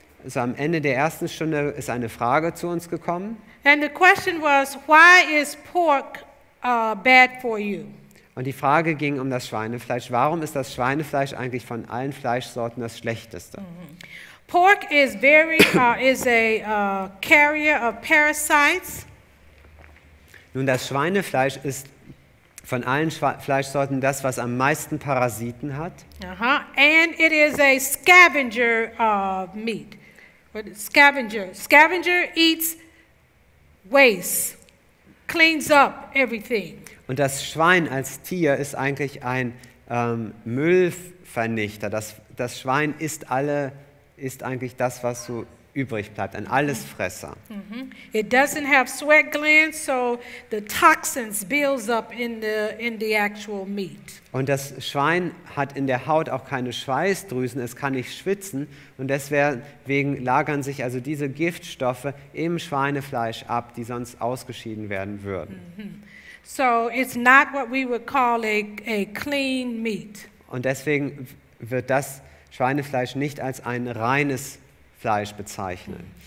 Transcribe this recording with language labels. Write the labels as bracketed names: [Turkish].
[German] So am Ende der ersten Stunde ist eine Frage zu uns gekommen. [English] And the question was, why is pork bad for you? [German] Und die Frage ging um das Schweinefleisch. Warum ist das Schweinefleisch eigentlich von allen Fleischsorten das schlechteste? [English] Mm-hmm. Pork is very is a carrier of parasites. [German] Nun, das Schweinefleisch ist von allen Fleischsorten das, was am meisten Parasiten hat. [English] Uh-huh. And it is a scavenger meat. Scavenger. Scavenger eats waste, cleans up everything. [German] Und das Schwein als Tier ist eigentlich ein Müllvernichter. Das Schwein ist eigentlich das, was so übrig bleibt, ein Allesfresser. Mm-hmm. [English] It doesn't have sweat glands, so the toxins builds up in the actual meat. [German] Und das Schwein hat in der Haut auch keine Schweißdrüsen, es kann nicht schwitzen und deswegen lagern sich also diese Giftstoffe im Schweinefleisch ab, die sonst ausgeschieden werden würden. Mm-hmm. [English] So it's not what we would call a clean meat. [German] Und deswegen wird das Schweinefleisch nicht als ein reines Fleisch bezeichnen.